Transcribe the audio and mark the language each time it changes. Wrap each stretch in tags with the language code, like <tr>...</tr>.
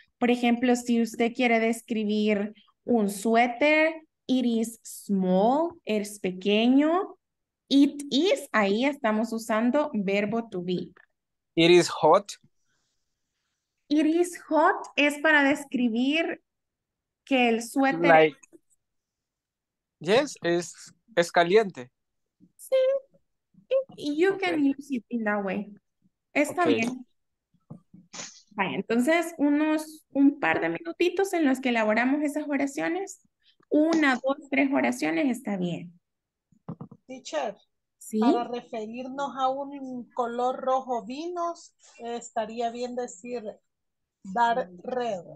<es>Por ejemplo, si usted quiere describir un suéter,</es> <en>it is small,</en> <es>es pequeño. It is, ahí estamos usando verbo to be.</es> <en>It is hot. It is hot</en> <es>es para describir que el suéter... Yes, es caliente.</es> <en>Sí, you can use it in that way.</en> <es>Está bien. Entonces, un par de minutitos en los que elaboramos esas oraciones. Una, dos, tres oraciones, está bien.</es> <en>Teacher,</en> <es>¿sí? Para referirnos a un color rojo vinos, estaría bien decir dark red.</es>